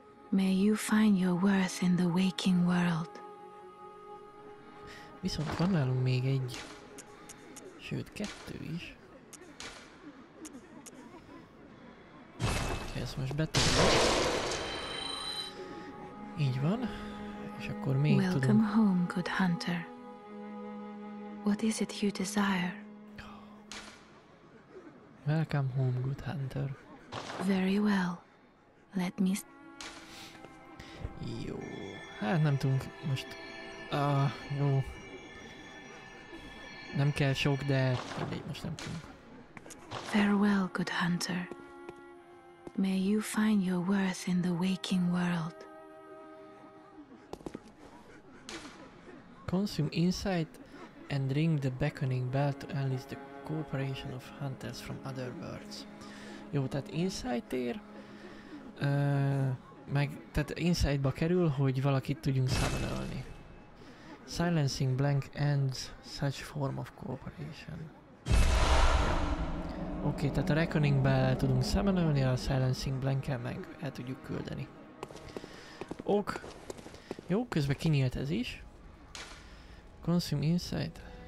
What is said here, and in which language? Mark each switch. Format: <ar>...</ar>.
<en>May you find your worth in the waking world.</en> <hu>Viszont van nálunk még egy, sőt kettő is. Oké, ezt most betegyünk. Így van, és akkor még</hu> <en>Welcome</en> <hu>tudunk.</hu> <en>Welcome home, good hunter. What is it you desire? Welcome home, good hunter. Very well. Let me...</en> <hu>Jó. Hát nem tudunk most... jó. Nem kell sok, de... most nem tudunk.</hu> <en>Farewell, good hunter. May you find your worth in the waking world. Consume insight and ring the beckoning bell to enlist the cooperation of hunters from other worlds.</en> <hu>Jó, tehát insight ér. Meg, tehát insightba kerül, hogy valakit tudjunk summonolni.</hu> <en>Silencing blank ends such form of cooperation.</en> <hu>Oké, okay, tehát a reckoning bell tudunk summonolni, a silencing blank-el meg el tudjuk küldeni. Ok. Jó, közben kinyílt ez is.</hu> <en>Consume insight.</en>